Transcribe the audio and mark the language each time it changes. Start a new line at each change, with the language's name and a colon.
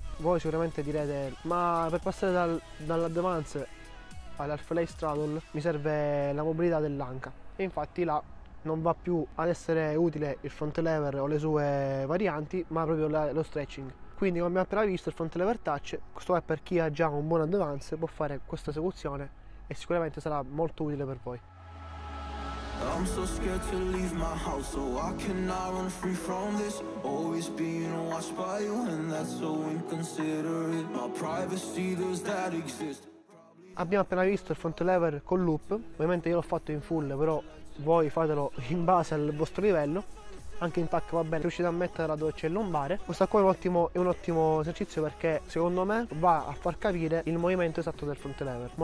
Italian: Voi sicuramente direte: ma per passare dall'advance all'half lay straddle mi serve la mobilità dell'anca. E infatti là non va più ad essere utile il front lever o le sue varianti, ma proprio lo stretching. Quindi, come abbiamo appena visto, il front lever touch, questo è per chi ha già un buon advance, può fare questa esecuzione e sicuramente sarà molto utile per voi.
English: I'm so scared to leave my house, so I cannot run free from this. Always being watched by you, and that's so inconsiderate. My privacy, those that exist.
Italian: Abbiamo appena visto il front lever con loop, ovviamente io l'ho fatto in full, però voi fatelo in base al vostro livello. Anche in tacco va bene, riuscite a metterla dove c'è il lombare. Questo qua è un ottimo esercizio perché secondo me va a far capire il movimento esatto del front lever.